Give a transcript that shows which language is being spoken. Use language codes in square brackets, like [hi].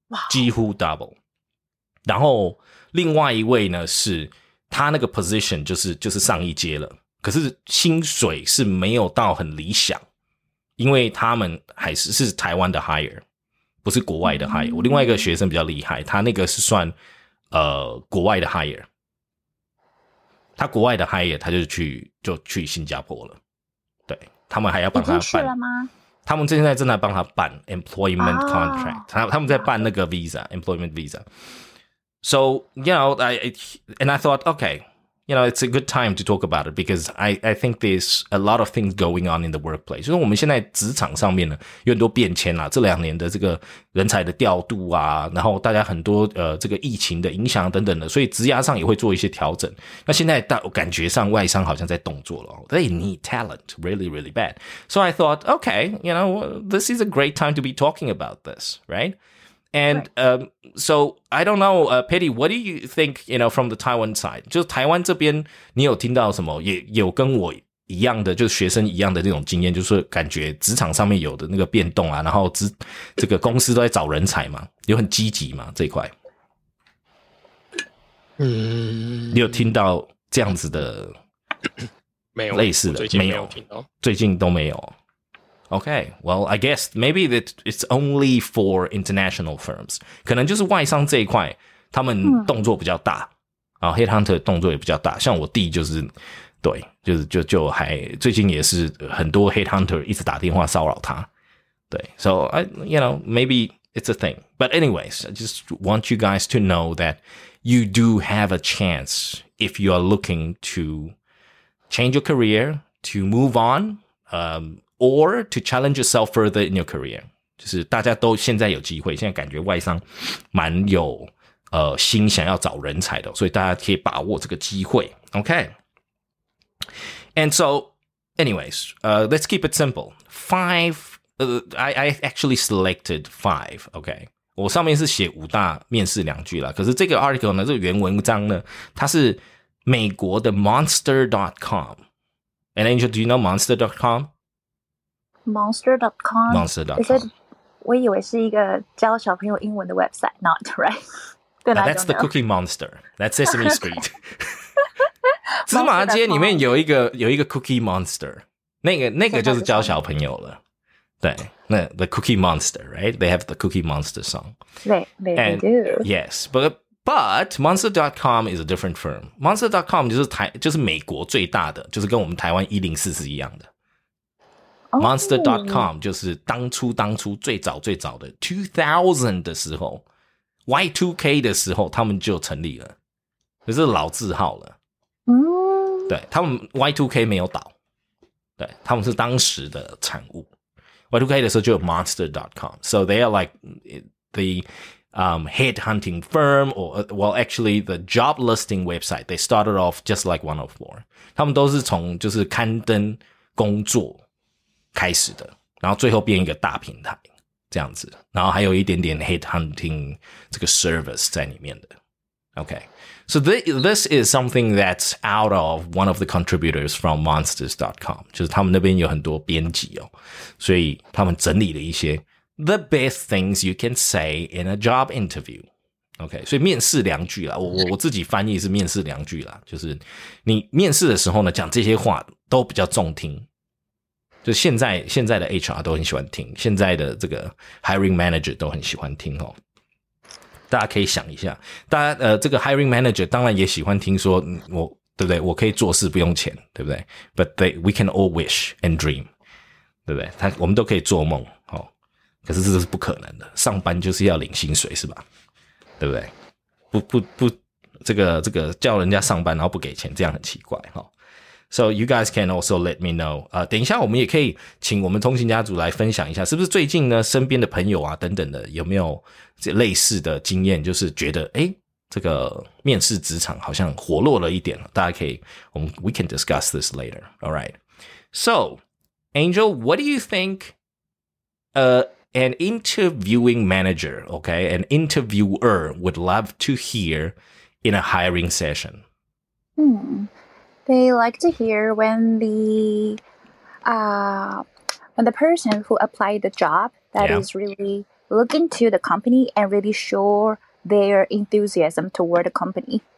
[zh] 几乎 double， 然后另外一位呢是他那个 position 就是上一阶了，可是薪水是没有到很理想，因为他们还是台湾的 hire， 不是国外的 hire、嗯、我另外一个学生比较厉害，他那个是算国外的 hire，他国外的 hire 他就去新加坡了，对，他们还要帮他办，已经去了吗？他们现在正在帮他办 employment contract、oh. 他们在办那个 visa employment visa， so you know I thought okay you know it's a good time to talk about it because I think there's a lot of things going on in the workplace，就是我们现在职场上面呢有很多变迁啦，这两年的这个人才的调度啊，然后大家很多这个疫情的影响等等的，所以职涯上也会做一些调整。那现在感觉上外商好像在动作了 ， They need talent really really bad. [en] So I thought, okay, you know, this is a great time to be talking about this, right? And so I don't know, Petty, what do you think? You know, from the Taiwan side, 就是台湾这边，你有听到什么？ [zh] 也有跟我一样的，就是学生一样的那种经验，就是感觉职场上面有的那个变动啊，然后这个公司都在找人才嘛，有很积极嘛这一块。嗯，你有听到这样子的？没有类似的，没有听到，最近都没有。 [en] Okay, well, I guess maybe that it's only for international firms. [zh] 可能就是外商这一块，他们动作比较大，然后 headhunter 动作也比较大。像我弟就是。 [en] 对，就还最近也是很多 hate hunter 一直打电话骚扰他，对，so I you know maybe it's a thing, but anyways, I just want you guys to know that you do have a chance if you are looking to change your career, to move on, or to challenge yourself further in your career. [zh] 就是大家都现在有机会，现在感觉外商蛮有心想要找人才的，所以大家可以把握这个机会 ，OK。 [en] And so, anyways, let's keep it simple. I actually selected five, okay? [zh] 我上面是写五大面试两句啦，可是这个 article 呢，这个原文章呢，它是美国的 monster.com. [en] And Angel, do you know monster.com? Monster.com? Monster.com. [zh] 我以为是一个教小朋友英文的 website, not right? [en] That's the Cookie Monster. That's Sesame Street. [zh] 芝麻街里面有一个 Cookie Monster， 那个就是教小朋友了。 [en] 对，那 the Cookie Monster， right？ They have the Cookie Monster song. They do. Yes, but Monster.com is a different firm. [zh] Monster.com 就是美国最大的，就是跟我们台湾104是一样的。 Monster.com 就是当初最早的2000的时候 ，Y2K 的时候，他们就成立了，就是老字号了。嗯，对他们 Y2K 没有倒，对他们是当时的产物。 [en] Y2K 的时候就有 Monster.com， so they are like the head hunting firm， or well actually the job listing website. They started off just like 104。 [zh] 他们都是从就是刊登工作。开始的，然后最后变一个大平台这样子，然后还有一点点 head hunting 这个 service 在里面的。 [en] Okay, so this is something that's out of one of the contributors from monsters.com，就是他们那边有很多编辑哦，所以他们整理了一些 the best things you can say in a job interview。 [zh] Okay， 所以面试两句啦，我自己翻译是面试两句啦，就是你面试的时候呢，讲这些话都比较中听。就现在的 HR 都很喜欢听，现在的这个 hiring manager 都很喜欢听哦。大家可以想一下，大家这个 hiring manager 当然也喜欢听说我对不对？我可以做事不用钱，对不对 ？ But we can all wish and dream，对不对？我们都可以做梦哦。可是这是不可能的，上班就是要领薪水是吧？对不对？不，这个叫人家上班然后不给钱，这样很奇怪哈。哦 So you guys can also let me know. 等一下我们也可以请我们通勤家族来分享一下，是不是最近呢身边的朋友啊等等的有没有类似的经验，就是觉得诶这个面试职场好像活络了一点，大家可以 we can discuss this later. [en] Alright. So, Angel, what do you think, an interviewing manager, okay, an interviewer would love to hear in a hiring session? They like to hear when the person who applied the job that is really looking to the company and really show their enthusiasm toward the company.